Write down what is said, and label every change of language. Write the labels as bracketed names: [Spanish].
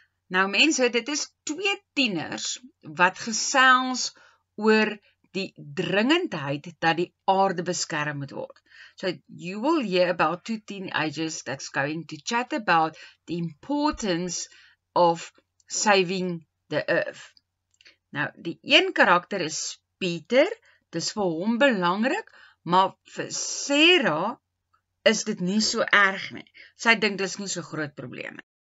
[Afrikaans] Nou mense, dit is twee tieners wat gesels oor die dringendheid dat die aarde beskerm moet word. [English] So you will hear about two teenagers that's going to chat about the importance of saving the earth. [Afrikaans] Nou die een karakter is Peter. Dis vir hom belangrik, maar vir Sarah is dit nie so erg nie. Sy dink dis nie so groot probleem nie.